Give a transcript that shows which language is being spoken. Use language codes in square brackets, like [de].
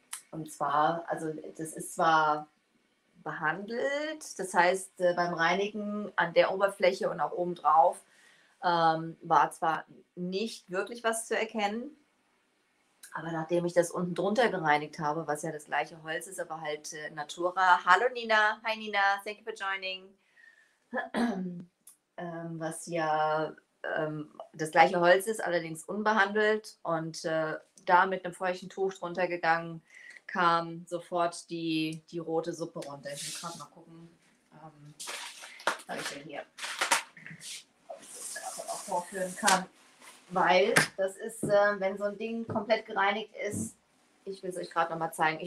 [de] Und zwar, also das ist zwar behandelt, das heißt beim Reinigen an der Oberfläche und auch oben drauf war zwar nicht wirklich was zu erkennen, aber nachdem ich das unten drunter gereinigt habe, was ja das gleiche Holz ist, aber halt Natura. [en] Hallo Nina, hi Nina, thank you for joining. [de] Was ja das gleiche Holz ist, allerdings unbehandelt und da mit einem feuchten Tuch drunter gegangen, kam sofort die rote Suppe runter. Ich muss gerade mal gucken, was ich denn hier auch vorführen kann, weil das ist, wenn so ein Ding komplett gereinigt ist, ich will es euch gerade noch mal zeigen.